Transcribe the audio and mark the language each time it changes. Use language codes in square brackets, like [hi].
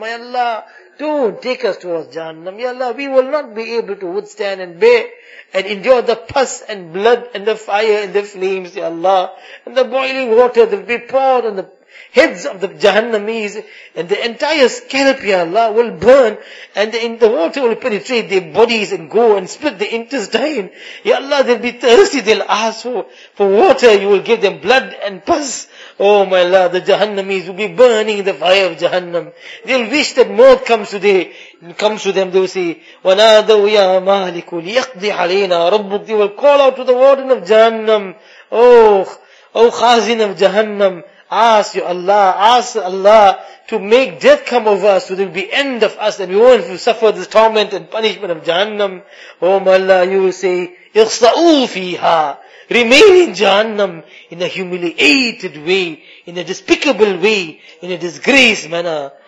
[en] Ya Allah, don't take us towards Jahannam. Ya Allah, we will not be able to withstand and bear and endure the pus and blood and the fire and the flames, Ya Allah, and the boiling water that will be poured on the heads of the Jahannamis, and the entire scalp, Ya Allah, will burn, and the water will penetrate their bodies and go and split the intestine. Ya Allah, they'll be thirsty, they'll ask for water, you will give them blood and pus. Oh my Allah, the Jahannamis will be burning in the fire of Jahannam. They'll wish that mort comes to them. They'll say, [ar] وَنَادَوْ يَا مَالِكُ لِيَقْضِ عَلَيْنَا رَبُّكُ. [en] They will call out to the warden of Jahannam. Oh, Khazin of Jahannam. Ask Allah to make death come over us, so there will be end of us, and we won't suffer this torment and punishment of Jahannam. Oh my Allah, you will say, [ar] اخصعوا فيها. [en] Remain in Jahannam in a humiliated way, in a despicable way, in a disgraced manner.